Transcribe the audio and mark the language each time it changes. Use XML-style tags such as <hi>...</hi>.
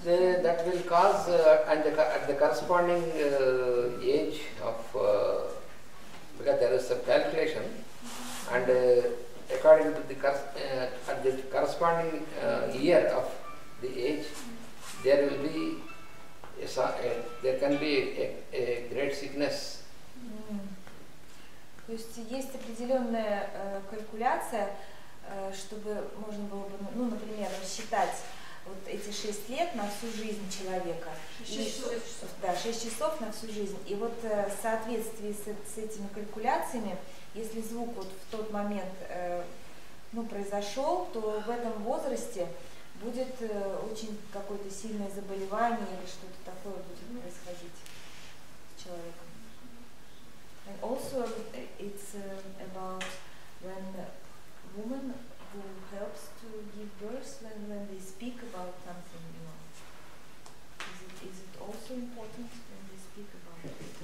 <en>That will cause, at the corresponding age of... because there is a calculation, and according to the at the corresponding year of the age, there will be there can be a great sickness.</en> <ru>То есть есть определенная калькуляция, чтобы можно было бы, ну, например, рассчитать вот эти 6 лет на всю жизнь человека. 6 часов. Да, 6 часов на всю жизнь. И вот в соответствии с этими калькуляциями, если звук вот в тот момент ну, произошел, то в этом возрасте будет очень какое-то сильное заболевание или что-то такое будет происходить с человеком.</ru> <en>And also it's about when woman who helps to give birth when they speak about something, you know. Is it also important when they speak about it?</en>